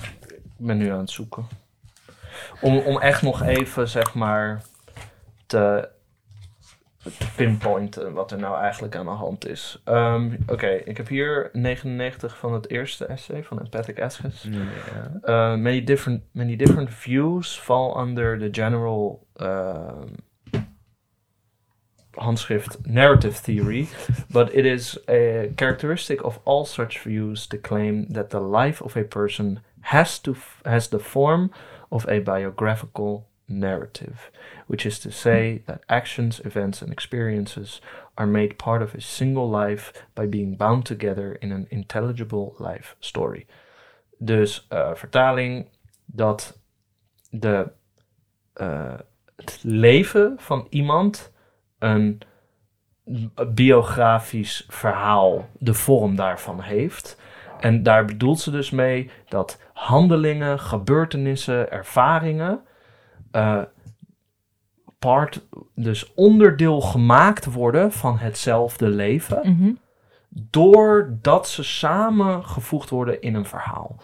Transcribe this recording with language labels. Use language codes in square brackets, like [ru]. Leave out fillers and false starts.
[nl] Ik ben nu aan het zoeken. Om echt nog even, zeg maar, te... te pinpointen wat er nou eigenlijk aan de hand is. Oké, ik heb hier 99 van het eerste essay van Empathic Essays. Yeah. [en] Many different views fall under the general handschrift narrative theory, but it is a characteristic of all such views to claim that the life of a person has the form of a biographical narrative, which is to say that actions, events, and experiences are made part of a single life by being bound together in an intelligible life story. [nl] Dus vertaling dat de het leven van iemand een biografisch verhaal de vorm daarvan heeft. En daar bedoelt ze dus mee dat handelingen, gebeurtenissen, ervaringen dus onderdeel gemaakt worden van hetzelfde leven, doordat ze samen gevoegd worden in een verhaal.